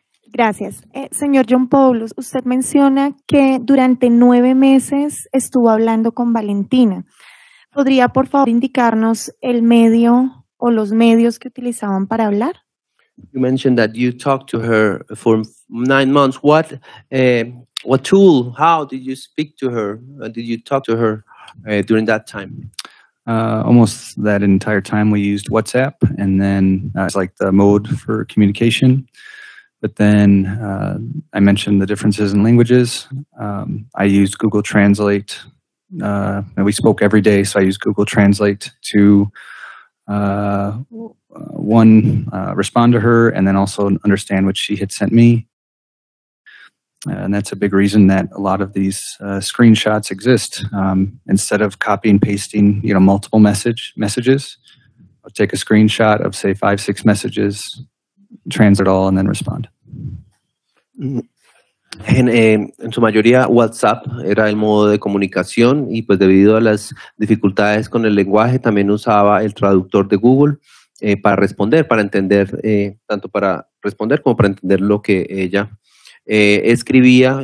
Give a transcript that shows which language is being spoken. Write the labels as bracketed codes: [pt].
[es] Gracias. Señor John Paulus, usted menciona que durante 9 meses estuvo hablando con Valentina. ¿Podría, por favor, indicarnos el medio o los medios que utilizaban para hablar? [en] You mentioned that you talked to her for 9 months. What tool, how did you speak to her? Did you talk to her during that time? Almost that entire time we used WhatsApp, and then it's like the mode for communication. But then I mentioned the differences in languages. I used Google Translate, and we spoke every day, so I used Google Translate to one, respond to her, and then also understand what she had sent me. And that's a big reason that a lot of these screenshots exist. Instead of copy and pasting, you know, multiple messages, I'll take a screenshot of say 5-6 messages, translate it all, and then respond. [es] En su mayoría WhatsApp era el modo de comunicación, y pues debido a las dificultades con el lenguaje también usaba el traductor de Google para responder, para entender, tanto para responder como para entender lo que ella escribía.